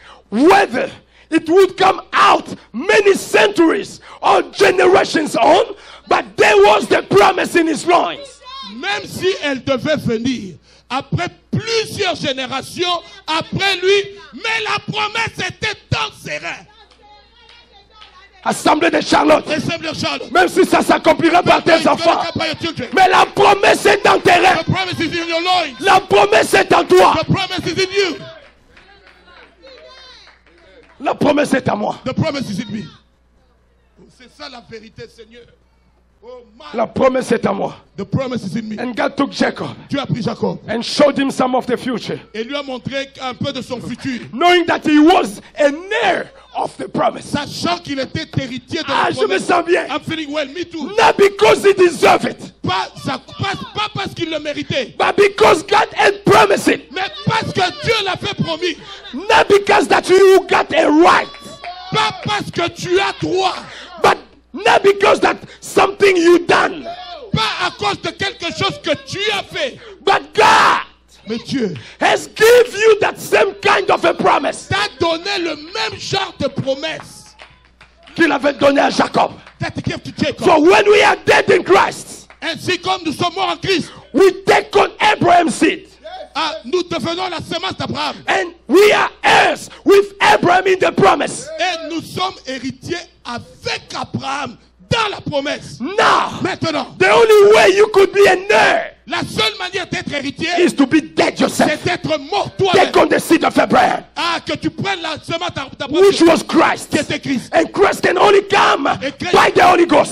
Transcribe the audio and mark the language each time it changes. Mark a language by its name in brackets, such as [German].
[English] Whether it would come out many centuries or generations on, but there was the promise in his loins. [French] Même si elle devait venir après plusieurs générations après lui, mais la promesse était dans ses reins. Assemblée de Charlotte. Assemblée de Charlotte. Même si ça s'accomplira par tes enfants. Mais la promesse est dans tes reins. [English] The promise is in your loins. [French] La promesse est en toi. [English] The promise is in you. [French] La promesse est à moi. [English] The promise is in me. [French] C'est ça la vérité, Seigneur. La promesse est à moi. [English] The promise is in me. And God took Jacob. [French] Dieu a pris Jacob. [English] And showed him some of the future. [French] Et lui a montré un peu de son futur. [English] Knowing that he was an heir of the promise. [French] Sachant qu'il était héritier de la promesse. Ah, je me sens bien. [English] I'm feeling well. Me too. Not because he deserved it. [French] Pas parce qu'il le méritait. [English] But because God had promised it. [French] Mais parce que Dieu l'avait promis. [English] Not because that you got a right. [French] Pas parce que tu as droit. [English] But not because that something you done. [French] Pas à cause de quelque chose que tu as fait. [English] But God. [French] Mais Dieu. [English] Has given you that same kind of a promise. [French] T'a donné le même genre de promesse. Qu'il avait donné à Jacob. [English] That he gave to Jacob. So when we are dead in Christ. [French] Ainsi comme nous sommes morts en Christ. [English] We take on Abraham's seed. [French] Ah, nous devenons la semence d'Abraham. [English] And we are heirs with Abraham in the promise. [French] Et nous sommes héritiers avec Abraham dans la promesse. [English] Now, [French] maintenant, [English] the only way you could be an heir, [French] la seule manière d'être héritier, [English] is to be dead yourself. [French] C'est d'être mort toi. [English] Take on the seed of Abraham. [French] Ah, que tu prennes la semence d'Abraham. [English] Which was Christ. [French] Qui était Christ. [English] And Christ can only come by the Holy Ghost.